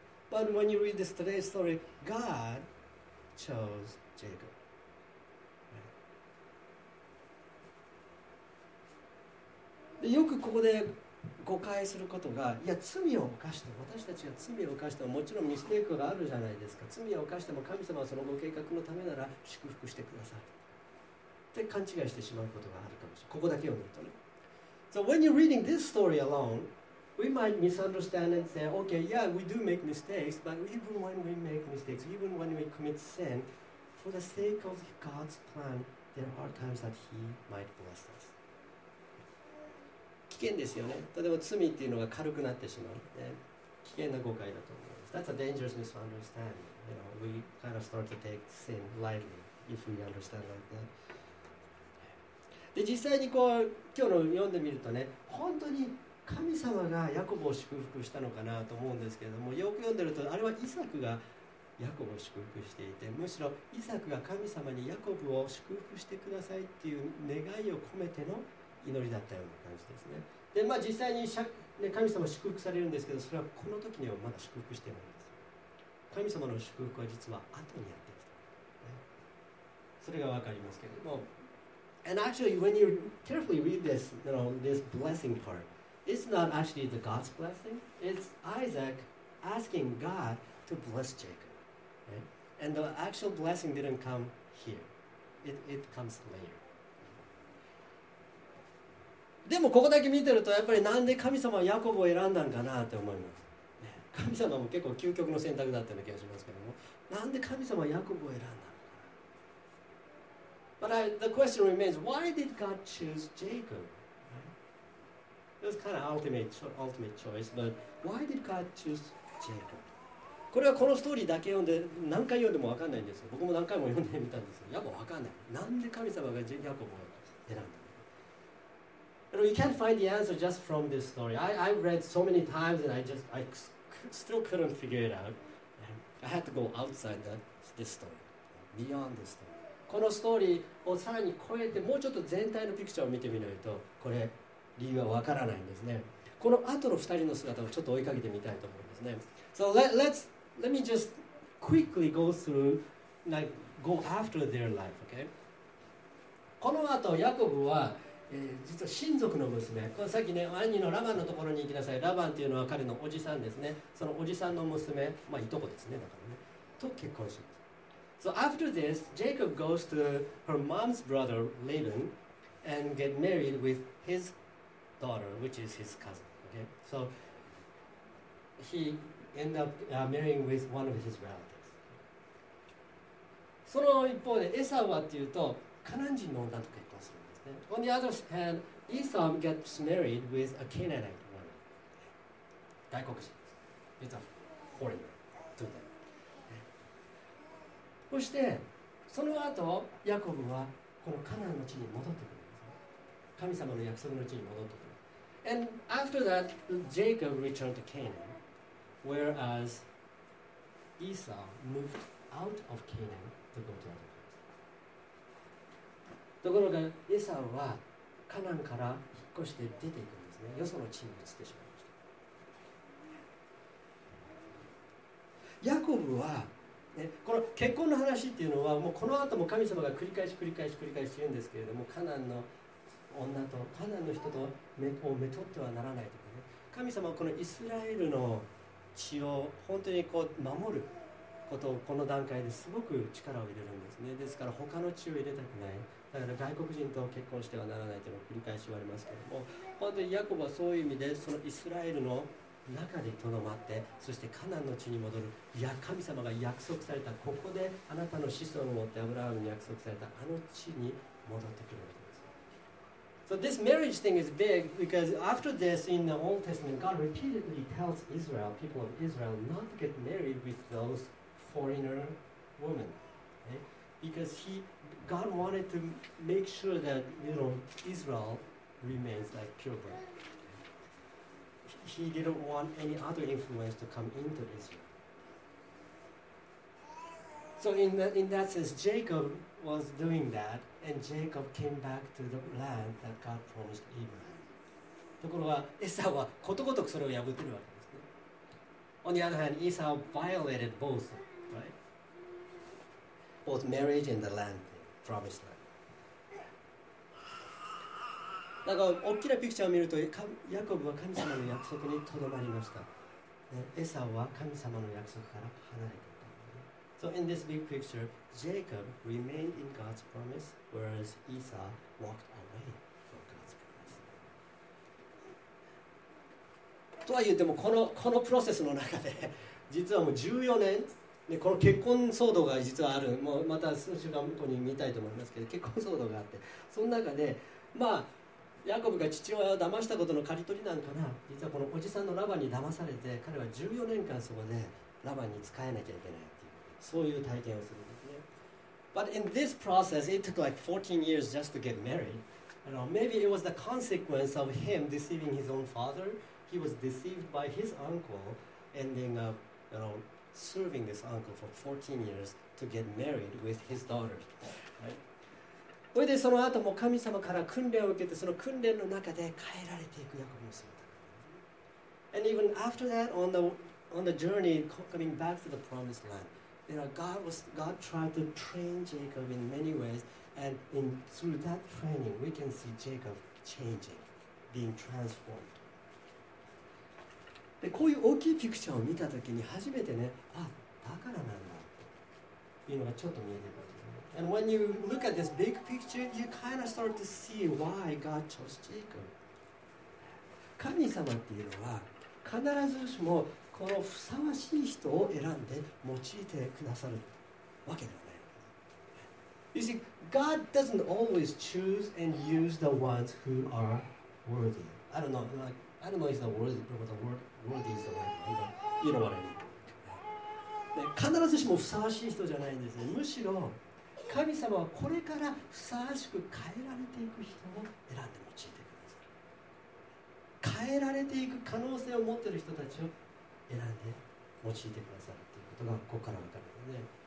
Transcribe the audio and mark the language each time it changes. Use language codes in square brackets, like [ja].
[en] But when you read this today's story, God chose Jacob.、Right? [ja] で、よくここで誤解することが、いや罪を犯しても、私たちが罪を犯してももちろんミステイクがあるじゃないですか、罪を犯しても神様はそのご計画のためなら祝福してくださるって勘違いしてしまうことがあるかもしれない。ここだけを見るとね。 [en] So when you're reading this story alone, we might misunderstand and say, okay, yeah, we do make mistakes, but even when we make mistakes, even when we commit sin, for the sake of God's plan, there are times that He might bless us. [ja] 危険ですよね。例えば罪っていうのが軽くなってしまう、ね、危険な誤解だと思います。 [en] That's a dangerous misunderstanding. You know, we kind of start to take sin lightly if we understand like that. [ja] で実際にこう今日の読んでみるとね、本当に神様がヤコブを祝福したのかなと思うんですけれども、よく読んでるとあれはイサクがヤコブを祝福していて、むしろイサクが神様にヤコブを祝福してくださいっていう願いを込めての祈りだったような感じですね。で、まあ、実際に神様祝福されるんですけど、それはこの時にはまだ祝福してないんです。神様の祝福は実は後にやってきた、ね、それが分かりますけれども。 [en] And actually, when you carefully read this, you know, this blessing part, it's not actually the God's blessing. It's Isaac asking God to bless Jacob.、Right? And the actual blessing didn't come here. It comes later. [ja] でもここだけ見てるとやっぱりなんで神様はヤコブを選んだんかなって思います。神様も結構究極の選択だったような気がしますけども、なんで神様はヤコブを選んだのか。 [en] But the question remains, why did God choose Jacob? It was kind of ultimate choice, but why did God choose Jacob? [ja] これはこのストーリーだけ読んで何回読んでも分かんないんですよ。僕も何回も読んでみたんですよ。やっぱ分かんない。なんで神様がヤコブを選んだ。 [en] You can't find the answer just from this story. I've read so many times and I still couldn't figure it out. I had to go outside this story, beyond this story. [ja] このストーリーをさらに超えてもうちょっと全体のピクチャーを見てみないとこれ理由はわからないんですね。この後の2人の姿をちょっと追いかけてみたいと思いますね。 [en] So let me just quickly go through, like, go after their life, okay? [ja] この後ヤコブは実は親族の娘、これさっきね、兄のラバンのところに行きなさい。ラバンっていうのは彼のおじさんですね。そのおじさんの娘、まあいとこですね、だからね。と結婚します。 [en] So after this, Jacob goes to her mom's brother Laban and get married with his daughter, which is his cousin. Okay, so he end up marrying with one of his relatives. [ja] その一方でエサウはっていうとカナン人の女と結婚するんですね。 [en] On the other hand, Esau gets married with a Canaanite woman. [ja] 外国人です。 [en] It's a foreigner to them. [ja] そしてその後ヤコブはこのカナンの地に戻ってくるんです、ね、神様の約束の地に戻ってくる。 [en] And after that, Jacob returned to Canaan, whereas Esau moved out of Canaan to go to other places. [ja] ところがエサウはカナンから引っ越して出ていくんですね。よその地に移ってしまいました。ヤコブはこの結婚の話っていうのはもうこの後も神様が繰り返し繰り返し繰り返し言うんですけれども、カナンの女とカナンの人とをめとってはならないとかね、神様はこのイスラエルの血を本当にこう守ることをこの段階ですごく力を入れるんですね。ですから他の血を入れたくない、だから外国人と結婚してはならないというのを繰り返し言われますけれども、本当にヤコブはそういう意味でそのイスラエルの中でとどまって、そしてカナンの地に戻る。いや、神様が約束された、ここであなたの子孫を持ってアブラハムに約束されたあの地に戻ってくるわけです。 [en] So this marriage thing is big because after this in the Old Testament God repeatedly tells Israel, people of Israel, not to get married with those foreigner women, okay? Because God wanted to make sure that, you know, Israel remains like purebred. He didn't want any other influence to come into Israel. So in that sense, Jacob was doing that, and Jacob came back to the land that God promised Abraham. [ja] ところが、エサウはことごとくそれを破ってるわけですね。 [en] On the other hand, Esau violated both, right? Both marriage and the land, the promised land. [ja] なんか大きなピクチャーを見ると、ヤコブは神様の約束にとどまりました。エサウは神様の約束から離れていた。 [en] So in this big picture, Jacob remained in God's promise, whereas Esau walked away from God's promise. [ja] とは言ってもこのプロセスの中で、実はもう14年、ね、この結婚騒動が実はある。もうまた数週間後に見たいと思いますけど、結婚騒動があって、その中で、まあ、ヤコブが父親を騙したことの刈り取りなんかな、実はこのおじさんのラバンに騙されて、彼は14年間そこでラバンに仕えなきゃいけないっていう、そういう体験をするんですね。 [en] But in this process, it took like 14 years just to get married. You know, maybe it was the consequence of him deceiving his own father. He was deceived by his uncle, ending up, you know, serving this uncle for 14 years to get married with his daughter. Right? [ja] それでその後も神様から訓練を受けて、その訓練の中で変えられていくヤコブの姿。 [en] And even after that, on the journey coming back to the promised land, you know, God tried to train Jacob in many ways, and in through that training, we can see Jacob changing, being transformed. [ja] で、こういう大きいピクチャーを見たときに初めてね、あ、だからなんだというのがちょっと見えてくる。 [en] And when you look at this big picture, you kind of start to see why God chose Jacob. [ja] 神様っていうのは必ずしもこのふさわしい人を選んで用いてくださるわけではない。 [en] You see, God doesn't always choose and use the ones who are worthy. I don't know if the word, but the word worthy is the right word. You know what I mean. [ja] 必ずしもふさわしい人じゃないんですね。むしろ神様はこれからふさわしく変えられていく人を選んで用いてください。変えられていく可能性を持っている人たちを選んで用いてくださるということがここからわかるので、